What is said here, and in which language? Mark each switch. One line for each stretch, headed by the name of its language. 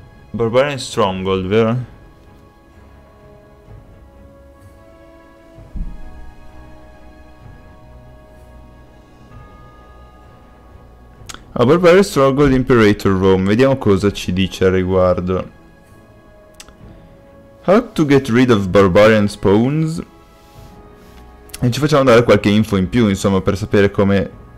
Italian: Barbarian Stronghold, vero? A Barbarian Stronghold Imperator Rome, vediamo cosa ci dice al riguardo.
English: How to get rid of Barbarian Spawns?
Italian: E ci facciamo dare qualche info in più, insomma, per sapere come.